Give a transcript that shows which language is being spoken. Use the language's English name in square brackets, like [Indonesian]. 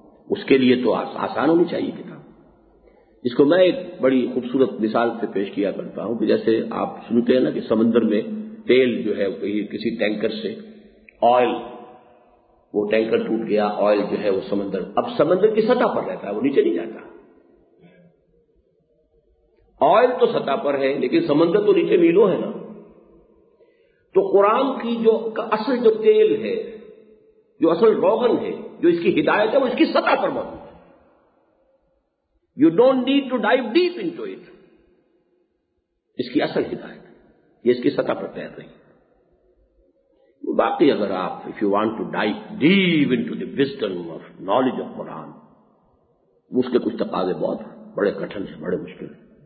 [Urdu] اس کے لیے تو آسان ہونی چاہیے کتاب. اس کو میں ایک بڑی خوبصورت مثال سے پیش کیا کرتا ہوں کہ جیسے آپ سنتے ہیں نا کہ سمندر میں تیل جو ہے کسی ٹینکر سے آئل, وہ ٹینکر ٹوٹ گیا, آئل جو ہے وہ سمندر, اب سمندر کی سطح پر رہتا ہے, وہ نیچے نہیں جاتا. آئل تو سطح پر ہے لیکن سمندر تو نیچے میلوں ہے نا. تو قرآن کی جو اصل جو تیل ہے, جو اصل روغن ہے, جو اس کی ہدایت ہے, وہ اس کی سطح پر موجود. [English] You don't need to dive deep into it. [Urdu] اس کی اصل ہدایت, یہ اس کی سطح پر تیر رہی ہے. باقی اگر آپ [English] if you want to dive deep into the wisdom of knowledge of Quran, [Urdu] اس کے کچھ تقاضے بہت بڑے کٹھن ہیں, بڑے مشکل ہیں.